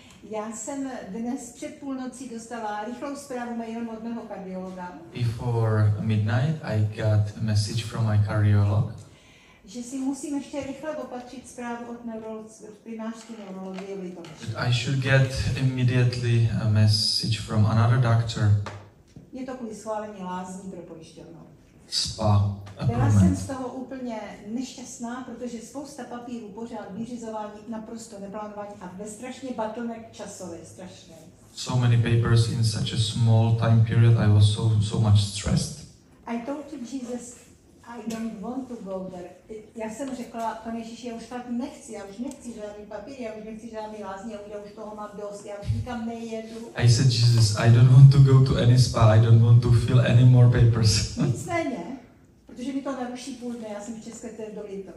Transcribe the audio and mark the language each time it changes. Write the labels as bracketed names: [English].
[Czech] Já jsem dnes před půlnocí dostala rychlou zprávu mailem od mého kardiologa. [English] Before midnight I got a message from my cardiolog. [Czech] Že si musím ještě rychle opatřit zprávu od primářské neurologie v Litovlích. [English] I should get immediately a message from another doctor. [Czech] Je to kvůli schválení lázní pro pojišťovnu. [English] Spa. [Czech] Byla jsem z toho úplně nešťastná, protože spousta papírů pořád vyřizování naprosto neplánovaně a ve strašně bottleneck časové, strašně. [English] So many papers in such a small time period, I was so much stressed. I told to Jesus, I don't want to go there. [Czech] Já jsem řekla, Pane Ježíši, já už fakt nechci, já už nechci žádný papír, já už nechci žádný lázní, já už toho mám dost, já už nikam nejedu. [English] I said, Jesus, I don't want to go to any spa, I don't want to fill any more papers. [Czech] Nicméně, protože mi to naruší půl dne, já jsem v České té doli to,